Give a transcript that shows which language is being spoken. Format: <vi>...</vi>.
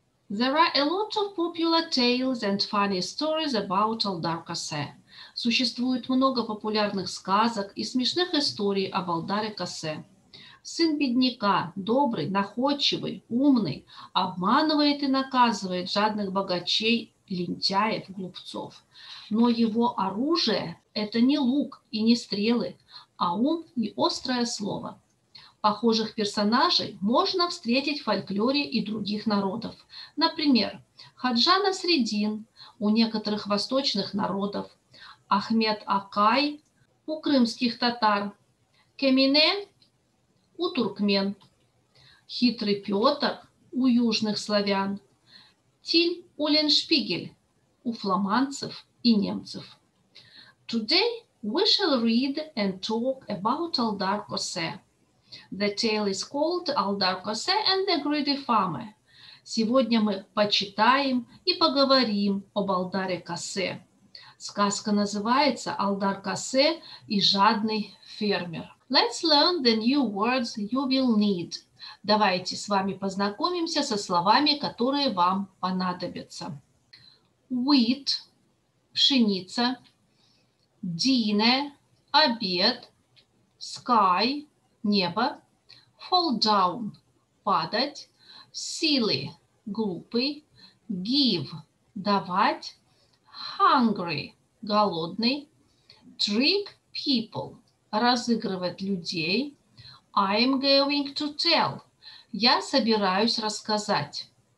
<en>There are a lot of popular tales and funny stories about Aldar Kase.</en> <ru>Существует много популярных сказок и смешных историй об Алдаре Кассе. Сын бедняка, добрый, находчивый, умный, обманывает и наказывает жадных богачей, лентяев, глупцов. Но его оружие – это не лук и не стрелы, а ум и острое слово. Похожих персонажей можно встретить в фольклоре и других народов. Например, Хаджа Насреддин у некоторых восточных народов, Ахмед Акай у крымских татар, Кемине у туркмен, Хитрый Петр у южных славян, Тиль Уллиншпигель у фламандцев и немцев.</ru> <en>Today we shall read and talk about Aldar Kase. The tale is called Aldar Kase and the Greedy Farmer.</en> <ru>Сегодня мы почитаем и поговорим об Алдаре Кассе. Сказка называется «Aldar Kase и жадный фермер».</ru> <en>Let's learn the new words you will need.</en> <ru>Давайте с вами познакомимся со словами, которые вам понадобятся.</ru> <en>Wheat – пшеница, dine – обед, sky – небо, fall down – падать, silly – глупый, give – давать, hungry – голодный, trick people,</en> <ru>разыгрывать людей,</ru> <en>I'm going to tell,</en> <ru>я собираюсь рассказать,</ru>